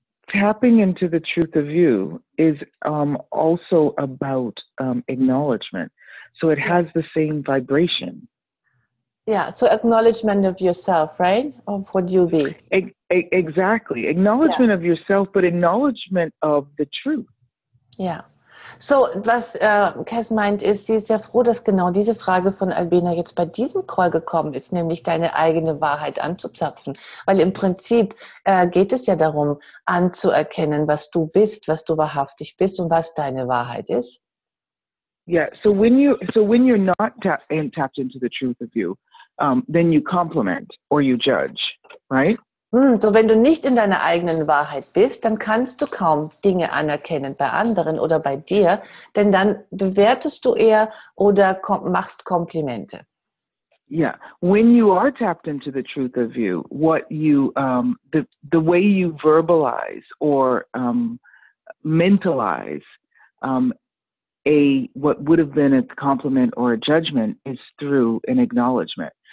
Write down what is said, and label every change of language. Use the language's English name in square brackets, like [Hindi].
[English] Tapping into the truth of you is also about acknowledgement. So it has the same vibration. Yeah, so acknowledgement of yourself, right? Of what you be. Exactly. Acknowledgement of yourself, but acknowledgement of the truth. Yeah. [German] So, was Cass meint, ist, sie ist sehr froh, dass genau diese Frage von Albina jetzt bei diesem Call gekommen ist, nämlich deine eigene Wahrheit anzuzapfen. Weil im Prinzip geht es ja darum, anzuerkennen, was du bist, was du wahrhaftig bist und was deine Wahrheit ist. [English] Yeah, so when you're not tapped into the truth of you, then you compliment or you judge, right? [German] So wenn du nicht in deiner eigenen Wahrheit bist, dann kannst du kaum Dinge anerkennen bei anderen oder bei dir, denn dann bewertest du eher oder machst Komplimente. [English] Yeah, when you are tapped into the truth of you, what you the way you verbalize or mentalize what would have been a compliment or a judgment is through an acknowledgement.